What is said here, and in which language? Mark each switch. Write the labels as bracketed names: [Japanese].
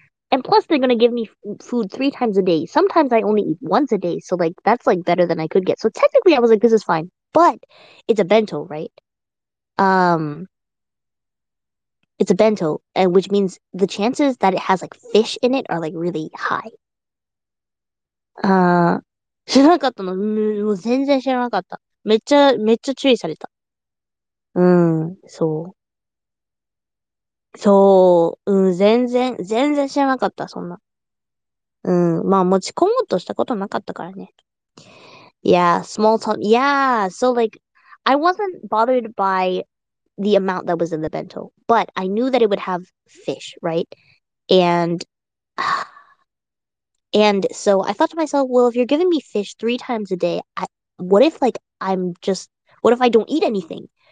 [English] And plus, they're gonna give me food 3 times a day. Sometimes I only eat once a day, so like that's like better than I could get. So technically, I was like, this is fine. But it's a bento, right? It's a bento, and which means the chances that it has like fish in it are like really high. [Japanese] 知らなかったの? もう全然知らなかった。めっちゃ注意された。そう。そう、全然知らなかった、そんな。まあ持ち込もうとしたことなかったからね。 [English] Yeah, small talk. Yeah, so like, I wasn't bothered by the amount that was in the bento, but I knew that it would have fish, right? And so I thought to myself, well, if you're giving me fish 3 times a day, what if I don't eat anything?